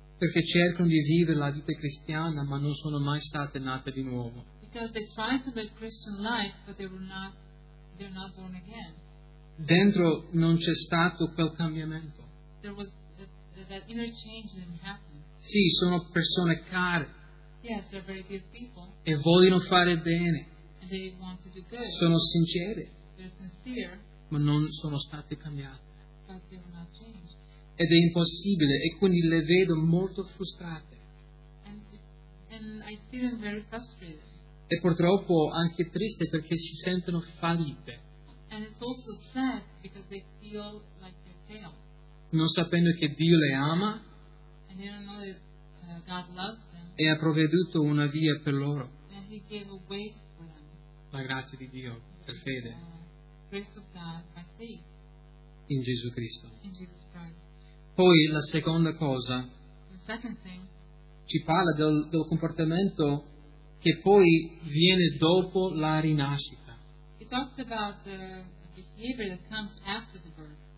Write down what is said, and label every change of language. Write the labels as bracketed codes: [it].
[it] perché cercano di vivere la vita cristiana ma non sono mai state nate di nuovo. [en] Because they try to live Christian life but they're not born again. [it] Dentro non c'è stato quel cambiamento. [en] There was that interchange didn't happen. [it] Sì, sono persone care. [en] Yes, they're very good people. [it] E vogliono fare bene. [en] And they want to do good. [it] Sono sincere. [en] Sincere, [it] ma non sono state cambiate. [en] But they were not changed. [it] Ed è impossibile, e quindi le vedo molto frustrate. [en] And I see them very frustrated. [it] E purtroppo anche triste, perché si sentono fallite. [en] And it's also sad because they feel like they fail. [it] Non sapendo che Dio le ama. [en] And they don't know that God loves them. [it] E ha provveduto una via per loro. [en] And he gave a way for them. [it] La grazia di Dio per fede. [en] Grace of God by faith. [it] in Gesù Cristo. [en] In Jesus Christ. [it] Poi la seconda cosa, [en] the second thing, [it] ci parla del comportamento che poi viene dopo la rinascita. [en] It talks about the behavior that comes after the birth.